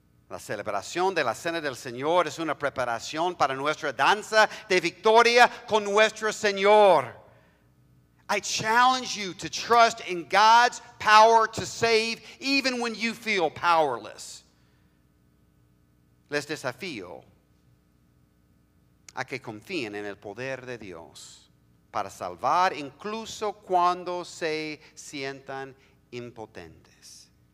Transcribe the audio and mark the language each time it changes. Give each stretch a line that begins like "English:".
Spanish: La celebración de la Cena del Señor es una preparación para nuestra danza de victoria con nuestro Señor.
English: I challenge you to trust in God's power to save even when you feel powerless.
Spanish: Les desafío a que confíen en el poder de Dios para salvar incluso cuando se sientan impotentes.